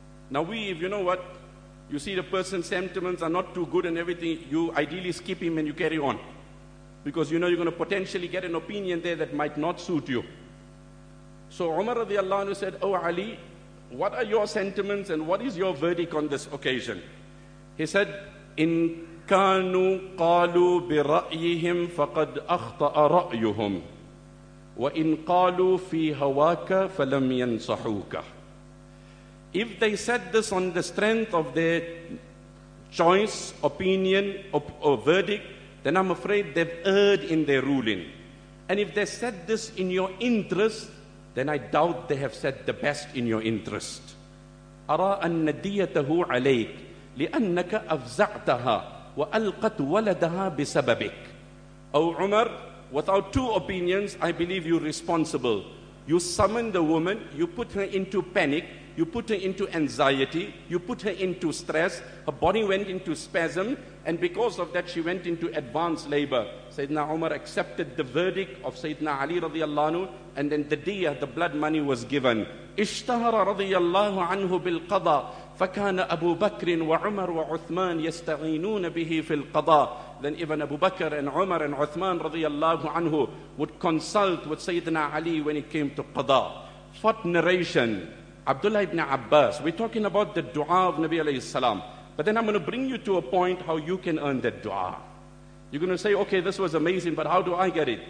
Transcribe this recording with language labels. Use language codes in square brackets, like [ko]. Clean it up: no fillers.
[en] Now we, if you know what, you see the person's sentiments are not too good and everything, you ideally skip him and you carry on. Because you know you're going to potentially get an opinion there that might not suit you. So Umar radiallahu anhu said, oh Ali, what are your sentiments and what is your verdict on this occasion? He said, [ar] إِن كَانُوا قَالُوا بِرَأْيِهِمْ فَقَدْ أَخْطَأَ رَأْيُهُمْ وَإِن قَالُوا فِي هَوَاكَ فَلَمْ يَنْصَحُوكَ. [en] If they said this on the strength of their choice, opinion, or verdict, then I'm afraid they've erred in their ruling. And if they said this in your interest, then I doubt they have said the best in your interest. [ar] أَرَىٰ أَنَّ دِيَتَهُ عَلَيْكَ لِأَنَّكَ أَفْزَعْتَهَا وَأَلْقَتْ وَلَدَهَا بِسَبَبِكَ. [en] Oh Umar, without two opinions, I believe you're responsible. You summon the woman, you put her into panic, you put her into anxiety, you put her into stress, her body went into spasm, and because of that she went into advanced labor. Sayyidina Umar accepted the verdict of Sayyidina Ali radiallahu anhu, and then the diyah, the blood money was given. [ar] اشتهر رضي الله عنه بالقضاء فكان أبو بكر وعمر وعثمان يستعينون به في القضاء. [en] Then even Abu Bakr and Umar and Uthman radiallahu anhu would consult with Sayyidina Ali when it came to qada. What narration? Abdullah ibn Abbas, we're talking about the dua of Nabi alayhi salam. But then I'm going to bring you to a point how you can earn that dua. You're going to say, okay, this was amazing, but how do I get it?